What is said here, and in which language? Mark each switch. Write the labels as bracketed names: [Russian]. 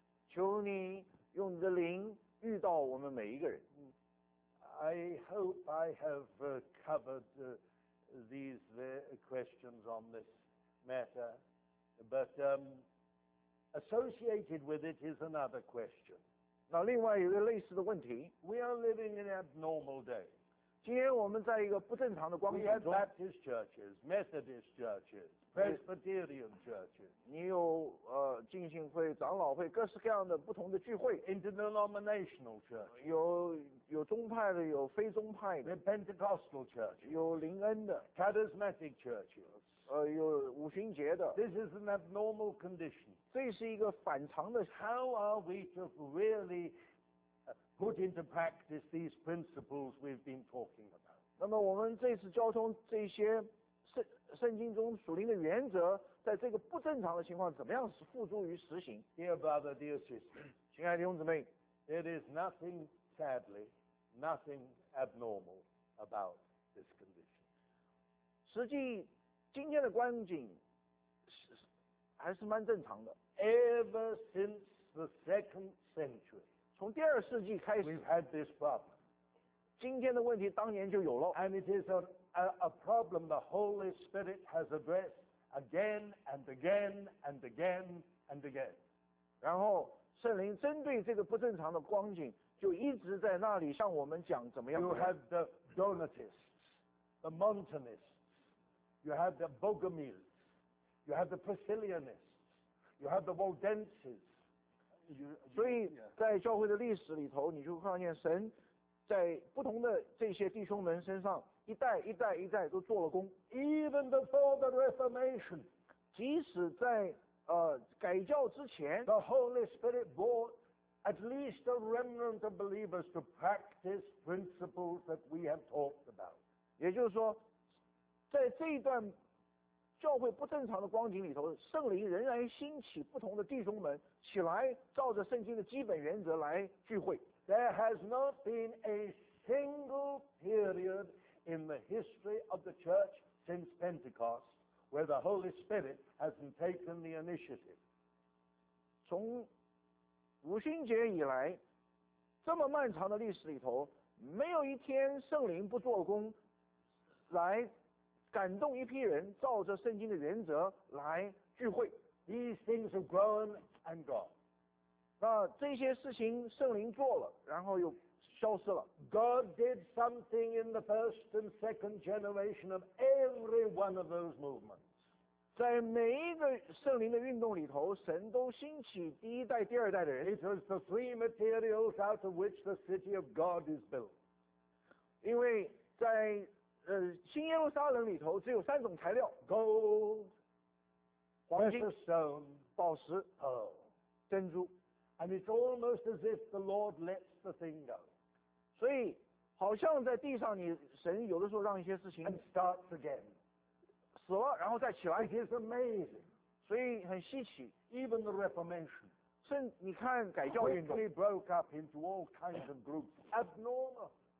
[Chinese] 求你用你的灵遇到我们每一个人。 [English] I hope I have covered these questions on this matter, but associated with it is another question. [Chinese] 那另外一个类似的问题。 [English] We are living in abnormal days. [Chinese] 今天我们在一个不正常的光景中。 [English] We have Baptist churches, Methodist churches. Presbyterian churches. [Chinese] 你有浸信会、长老会，各式各样的不同的聚会。 [English] Interdenominational church. [Chinese] 有宗派的，有非宗派的。 [English] Pentecostal church. [Chinese] 有灵恩的。 [English] Charismatic churches. [Chinese] 有五旬节的。 [English] This is an abnormal condition. [Chinese] 这是一个反常的。 [English] How are we to really put into practice these principles we've been talking about? [Chinese] 那么我们这次交通这些。圣经中属灵的原则，在这个不正常的情况，怎么样是付诸于实行 [English] ？Dear brother, dear sister, [Chinese] 亲爱的弟兄姊妹 [English] ，There is nothing sadly, nothing abnormal about this condition. [Chinese] 实际今天的光景还是蛮正常的。 [English] Ever since the second century, [Chinese] 从第二世纪开始 [English] ，We've had this problem. [Chinese] 今天的问题当年就有了 [English] ，And it is a problem the Holy Spirit has addressed again and again and again and again. [Chinese] 然后圣灵针对这个不正常的光景，就一直在那里向我们讲怎么样。 [English] You had the Donatists, the Montanists, you had the Bogomils, you had the Priscillianists, you had the Waldenses. [Chinese] 所以在教会的历史里头，你就看见神在不同的这些弟兄们身上。一代一代一代都做了工 [English] ，even before the Reformation， [Chinese] 即使在改教之前 [English] ，the Holy Spirit brought at least a remnant of believers to practice principles that we have talked about。 [Chinese] 也就是说，在这一段教会不正常的光景里头，圣灵仍然兴起不同的弟兄们起来，照着圣经的基本原则来聚会。 [English] There has not been a single period。 In the history of the church since Pentecost, where the Holy Spirit hasn't taken the initiative. [Chinese] 从五旬节以来，这么漫长的历史里头，没有一天圣灵不做工，来感动一批人，照着圣经的原则来聚会。 [English] These things have grown and gone. [Chinese] 那这些事情圣灵做了，然后又。消失了。 [English] God did something in the first and second generation of every one of those movements. [Chinese] 在每一个圣灵的运动里头，神都兴起第一代、第二代的人。 [English] It was the three materials out of which the city of God is built. [Chinese] 因为在新耶路撒冷里头，只有三种材料 [English] ：gold， [Chinese] 黄金 [English] ；precious stone， [Chinese] 宝石 [English] ；pearl， [Chinese] 珍珠。 [English] And it's almost as if the Lord lets the thing go. [Chinese] 所以好像在地上你神有的时候让一些事情 [English] and starts again [Chinese] 死了然后再起来 [English] it is amazing [Chinese] 所以很稀奇 [English] even the reformation [Chinese] 甚你看改教运动 [English] quickly broke up into all kinds of groups abnormal